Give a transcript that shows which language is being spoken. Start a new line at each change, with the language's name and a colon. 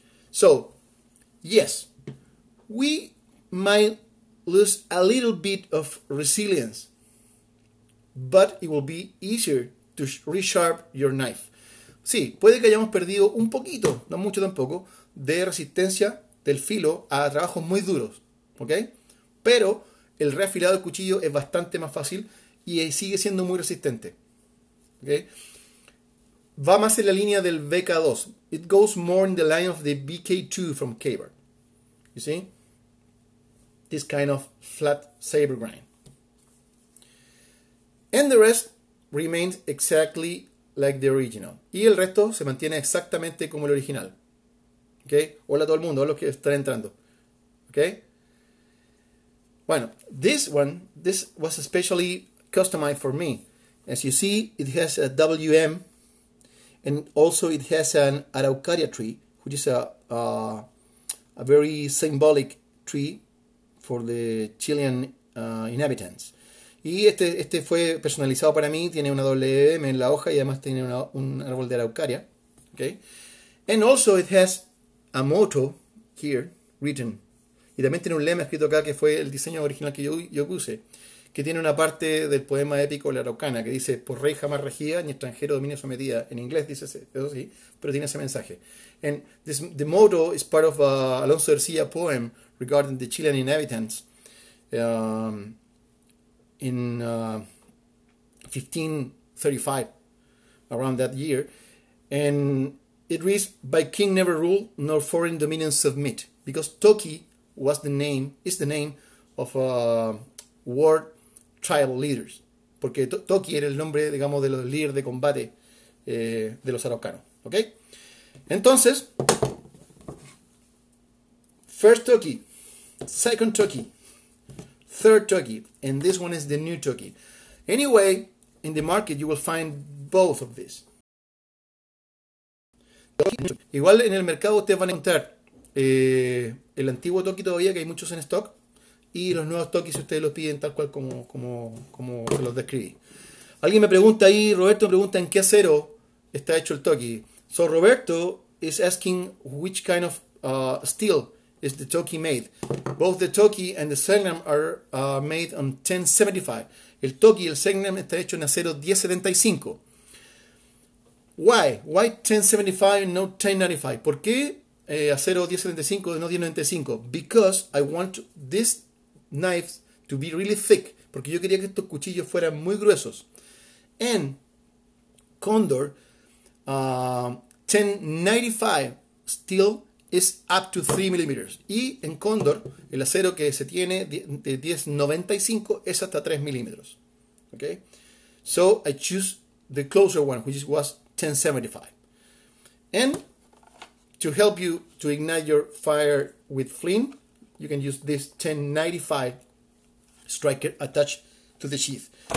English: So, yes, we might lose a little bit of resilience, but it will be easier to resharp your knife.
Spanish: Sí, puede que hayamos perdido un poquito, no mucho tampoco, de resistencia del filo a trabajos muy duros, ¿ok? Pero el reafilado del cuchillo es bastante más fácil y sigue siendo muy resistente, ¿ok? Va más en la línea del BK2.
English: It goes more in the line of the BK2 from Kaber. You see? This kind of flat saber grind. And the rest remains exactly like the original.
Spanish: Y el resto se mantiene exactamente como el original. Okay? Hola a todo el mundo, a los que están entrando.
English: Okay? Bueno, this was especially customized for me. As you see, it has a WM and also it has an Araucaria tree, which is a very symbolic tree for the Chilean inhabitants.
Spanish: Y este fue personalizado para mí. Tiene una WM en la hoja y además tiene un árbol de araucaria.
English: Okay. And also it has a motto here written.
Spanish: Y también tiene un lema escrito acá que fue el diseño original que yo puse. Que tiene una parte del poema épico La Araucana que dice por rey jamás regía ni extranjero dominio sometida. En inglés dice eso sí, pero tiene ese mensaje.
English: And this, the motto is part of Alonso Ercilla poem regarding the Chilean inhabitants. In 1535, around that year, and it reads, "By king never rule, nor foreign dominion submit," because Toki was the name, is the name of war tribal leaders,
Spanish: porque Toki era el nombre, digamos, de los líderes de combate de los araucanos.
English: Okay, entonces, first Toki, second Toki, third Toki, and this one is the new Toki. Anyway, in the market you will find both of these.
Spanish: Igual en el mercado ustedes van a encontrar el antiguo Toki todavía, que hay muchos en stock, y los nuevos Toki si ustedes los piden tal cual como se los describí. Alguien me pregunta ahí, Roberto me pregunta en qué acero está hecho el Toki.
English: So Roberto is asking which kind of steel is the Toki made. Both the Toki and the Segnum are made on 1075.
Spanish: El Toki y el Segnum está hecho en acero 1075.
English: Why 1075 and no 1095?
Spanish: ¿Por qué acero 1075 y no 1095?
English: Because I want these knives to be really thick.
Spanish: Porque yo quería que estos cuchillos fueran muy gruesos.
English: And Condor 1095 steel is up to 3 millimeters.
Spanish: Y en Condor, el acero que se tiene de 1095 es hasta 3 milímetros.
English: Okay? So I choose the closer one, which was 1075. And to help you to ignite your fire with flint, you can use this 1095 striker attached to the sheath.